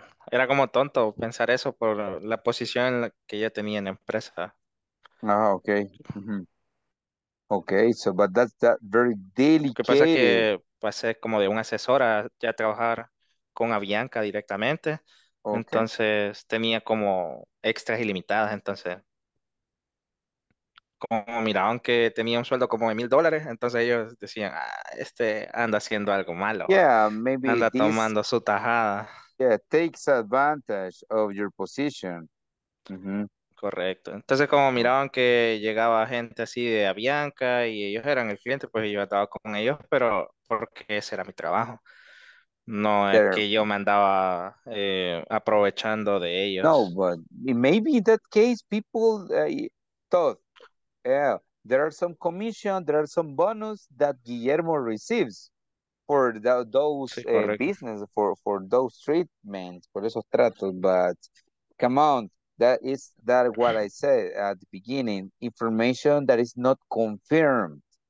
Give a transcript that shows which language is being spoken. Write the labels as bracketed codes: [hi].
[es] era como tonto pensar eso por la posición que yo tenía en la empresa. [en] Ah, okay. Mm-hmm. Okay, so, but that's that very delicate. [es] Que pasa que pues es como de un asesor a ya trabajar con Avianca directamente. Okay. Entonces tenía como extras ilimitadas, entonces como miraban que tenía un sueldo como de $1,000, entonces ellos decían, ah, este anda haciendo algo malo. [en] Yeah, maybe [es] anda tomando su tajada. [en] Yeah, takes advantage of your position. Mm-hmm. [es] Correcto. Entonces como miraban que llegaba gente así de Avianca y ellos eran el cliente, pues yo estaba con ellos, pero porque ese era mi trabajo. No es there. Que yo me andaba aprovechando de ellos. [en] No, but maybe in that case people thought, yeah, there are some commission, there are some bonus that Guillermo receives for the, those sí, business, for those treatments, [es] por esos tratos, [en] but come on, that is that what I said at the beginning, information that is not confirmed.